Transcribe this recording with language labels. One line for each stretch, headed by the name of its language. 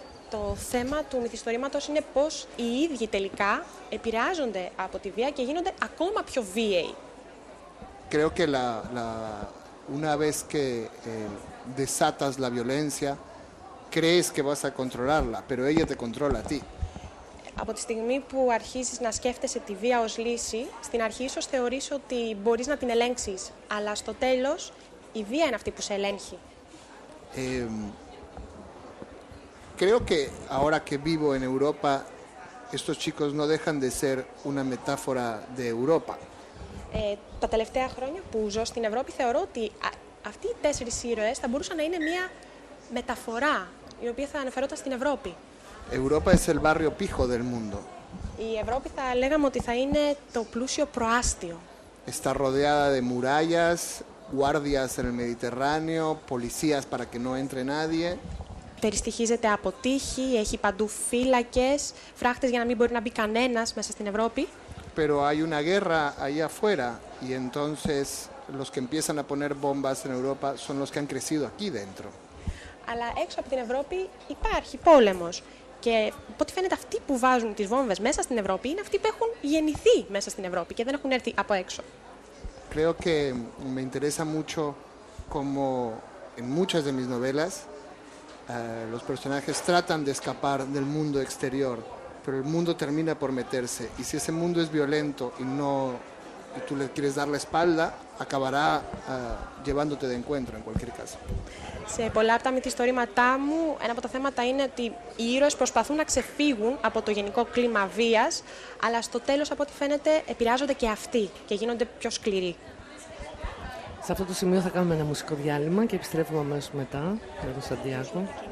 Greek: Το θέμα του μυθιστορήματος είναι πώς οι ίδιοι τελικά επηρεάζονται από τη βία και γίνονται ακόμα πιο βίαιοι.
Spanish: Creo que la una vez que desatas la violencia, crees que vas a controlarla, pero ella te controla a ti.
Greek: Από τη στιγμή που αρχίζεις να σκέφτεσαι τη βία ως λύση, στην αρχή ίσως θεωρείς ότι μπορείς να την ελέγξεις, αλλά στο τέλος η βία είναι αυτή που σε ελέγχει.
Spanish: Creo que ahora que vivo en Europa, estos chicos no dejan de ser una metáfora de Europa.
Greek: Τα τελευταία χρόνια που ζω στην Ευρώπη θεωρώ ότι αυτοί οι τέσσερις ήρωες θα μπορούσαν να είναι μια μεταφορά, η οποία θα αναφερόταν στην Ευρώπη.
Spanish: Europa es el barrio pijo del mundo.
Greek: Y Europa, θα λέγαμε ότι θα είναι το πλούσιο προάστιο.
Spanish: Está rodeada de murallas, guardias en el Mediterráneo, policías para que no entre nadie.
Greek: Περιστοιχίζεται από τείχη, έχει παντού φύλακες, φράχτες για να μην μπορεί να μπει κανένας μέσα στην Ευρώπη.
Spanish: Pero hay una guerra ahí afuera y entonces los que empiezan a poner bombas en Europa son los que han crecido aquí dentro.
Greek: Αλλά έξω από την Ευρώπη υπάρχει πόλεμος. Και από ό,τι φαίνεται αυτοί που βάζουν τις βόμβες μέσα στην Ευρώπη είναι αυτοί που έχουν γεννηθεί μέσα στην Ευρώπη και δεν έχουν έρθει από έξω.
Spanish: Creo que me interesa mucho como en muchas de mis novelas los personajes tratan de escapar del mundo exterior, pero el mundo termina por meterse y si ese mundo es violento y no y tú le quieres dar la espalda, acabará llevándote de encuentro en cualquier caso.
Greek: Σε πολλά από τα μυθιστορήματά μου, ένα από τα θέματα είναι ότι οι ήρωες προσπαθούν να ξεφύγουν από το γενικό κλίμα βίας, αλλά στο τέλος, από ό,τι φαίνεται, επηρεάζονται και αυτοί και γίνονται πιο σκληροί. Σε αυτό το σημείο θα κάνουμε ένα μουσικό διάλειμμα και επιστρέφουμε αμέσως μετά με τον Σαντιάγκο.